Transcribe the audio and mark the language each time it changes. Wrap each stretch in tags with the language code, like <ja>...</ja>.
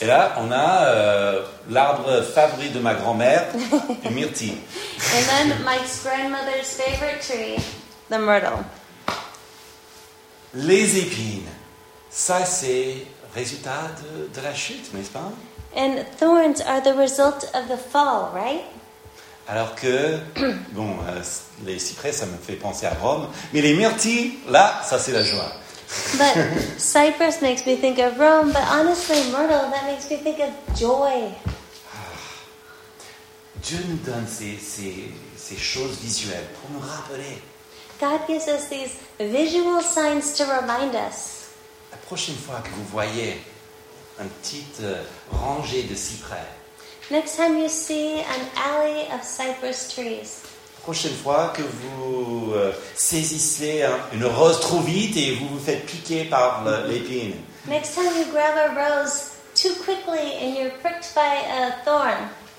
<fr>Et là, on a l'arbre favori de ma grand-mère, le myrtille.</fr> <en>And then my grandmother's favorite tree, the myrtle.</en> <fr>Les épines, ça c'est résultat de la chute, n'est-ce pas?</fr> <en>And thorns are the result of the fall, right?</en> <fr>Alors que, bon, les cyprès, ça me fait penser à Rome. Mais les myrtilles, là, ça, c'est la joie.</fr> <en>But cypress makes me think of Rome. But honestly, myrtle, that makes me think of joy.</en> <fr>Dieu nous donne ces choses visuelles pour nous rappeler.</fr> <en>God gives us these visual signs to remind us.</en> <fr>La prochaine fois que vous voyez une petite rangée de cyprès,</fr> <en>next time you see an alley of cypress trees.</en> <fr>Prochaine fois que vous saisissez une rose trop vite et vous vous faites piquer par l'épine.</fr> <en>Next time you grab a rose too quickly and you're pricked by a thorn.</en>